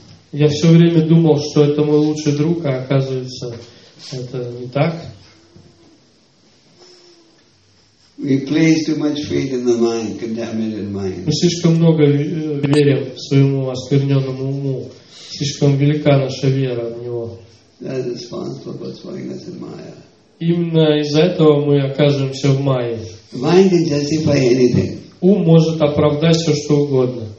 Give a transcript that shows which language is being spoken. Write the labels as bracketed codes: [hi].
[ru] Я все время думал, что это мой лучший друг, а оказывается, это не так. [en] We place too much faith in the mind, contaminated mind. [ru] Мы слишком много верим своему оскверненному уму. Слишком велика наша вера в него. [en] That is responsible for throwing us in Maya. [ru] Именно из-за этого мы окажемся в Майе. [en] Mind can justify anything. [ru] Ум может оправдать все, что угодно.